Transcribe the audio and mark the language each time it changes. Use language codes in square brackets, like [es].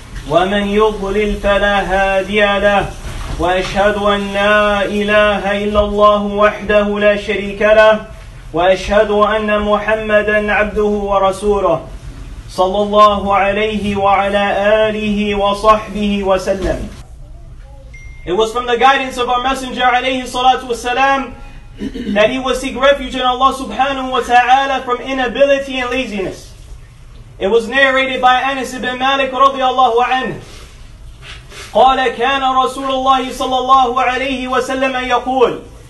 [ar] ومن يضلل فلا هادي له وأشهد أن لا إله إلا الله وحده لا شريك له وأشهد أن محمدًا عبده ورسوله صلى الله عليه وعلى آله وصحبه وسلم. [en] It was from the guidance of our messenger [ar] عليه الصلاة والسلام [en] that he would seek refuge in Allah subhanahu wa ta'ala from inability and laziness. It was narrated by Anas ibn Malik [ar] رضي الله عنه. قال كان رسول الله صلى الله عليه وسلم يقول.